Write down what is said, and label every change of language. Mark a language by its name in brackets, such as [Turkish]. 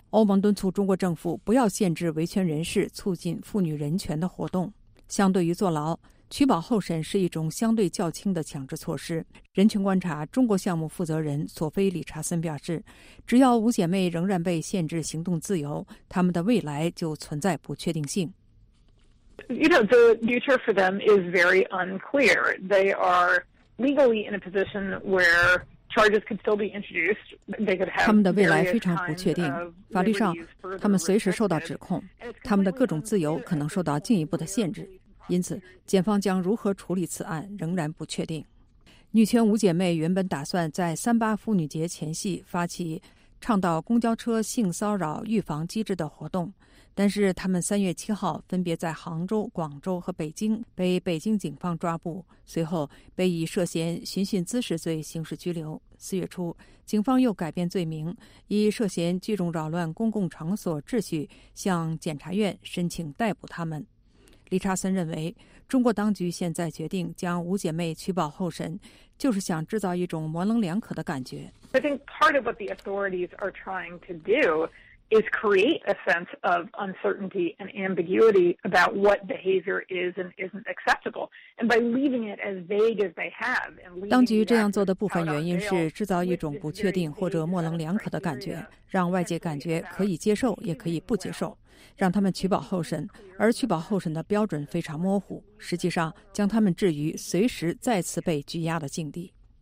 [Chinese] 欧盟敦促中国政府不要限制维权人士促进妇女人权的活动。相对于坐牢，取保候审是一种相对较轻的强制措施。人权观察中国项目负责人索菲·理查森表示，只要五姐妹仍然被限制行动自由，他们的未来就存在不确定性。 [English] You know, the future for them is very unclear. They are legally in a position where charges could still be introduced. They could have. [Chinese] 他们的未来非常不确定。法律上，他们随时受到指控，他们的各种自由可能受到进一步的限制。因此，检方将如何处理此案仍然不确定。女权五姐妹原本打算在三八妇女节前夕发起倡导公交车性骚扰预防机制的活动，但是她们3月7号分别在杭州、广州和北京被北京警方抓捕，随后被以涉嫌寻衅滋事罪刑事拘留，四月初，警方又改变罪名，以涉嫌聚众扰乱公共场所秩序向检察院申请逮捕他们。理查森认为，中国当局现在决定将五姐妹取保候审，就是想制造一种模棱两可的感觉。 [English] I think part of what the authorities are trying to do is create a sense of uncertainty and ambiguity about what behavior is and isn't acceptable. And by leaving it as vague as they have, [Chinese] 当局这样做的部分原因是制造一种不确定或者模棱两可的感觉，让外界感觉可以接受，也可以不接受。让他们取保候审，而取保候审的标准非常模糊，实际上将他们置于随时再次被拘押的境地。